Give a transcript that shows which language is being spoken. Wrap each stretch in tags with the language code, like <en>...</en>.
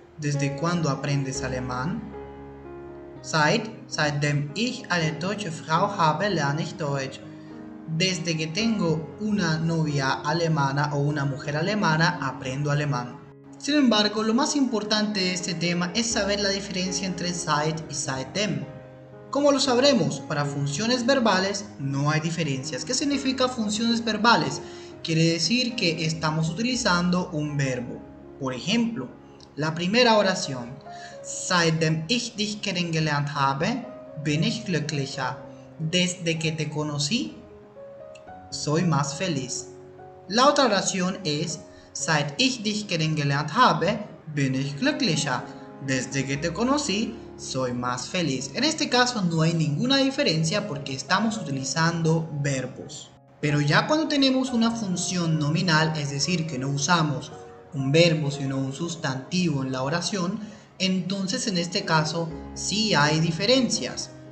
<es>¿Desde cuándo aprendes alemán?</es> <de>Seitdem ich eine deutsche Frau habe, lerne ich Deutsch.</de> <es>Desde que tengo una novia alemana o una mujer alemana, aprendo alemán. Sin embargo, lo más importante de este tema es saber la diferencia entre Seit y Seitdem. ¿Cómo lo sabremos? Para funciones verbales no hay diferencias. ¿Qué significa funciones verbales? Quiere decir que estamos utilizando un verbo. Por ejemplo, la primera oración.</es> <de>Seitdem ich dich kennengelernt habe, bin ich glücklicher.</de> <es>Desde que te conocí, soy más feliz. La otra oración es.</es> <de>Seit ich dich kennengelernt habe, bin ich glücklicher.</de> <es>Desde que te conocí, soy más feliz. En este caso no hay ninguna diferencia porque estamos utilizando verbos. Pero ya cuando tenemos una función nominal, es decir, que no usamos un verbo sino un sustantivo en la oración, entonces en este caso sí hay diferencias.</es>